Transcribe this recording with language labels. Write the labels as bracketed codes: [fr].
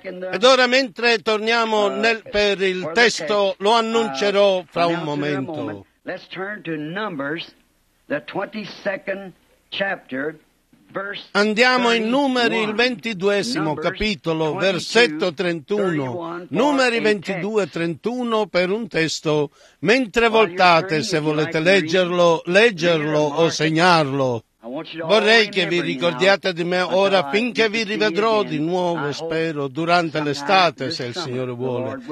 [it] Ed ora mentre torniamo per il testo, lo annuncerò fra un momento. [en] Let's turn to Numbers, the 22nd chapter, verse 31. [it] Andiamo in Numeri, il 22esimo capitolo, versetto 31. Numeri 22, 31 per un testo. Mentre voltate, se volete leggerlo, o segnarlo. Vorrei che vi ricordiate di me ora finché vi rivedrò di nuovo, spero, durante l'estate, se il Signore vuole.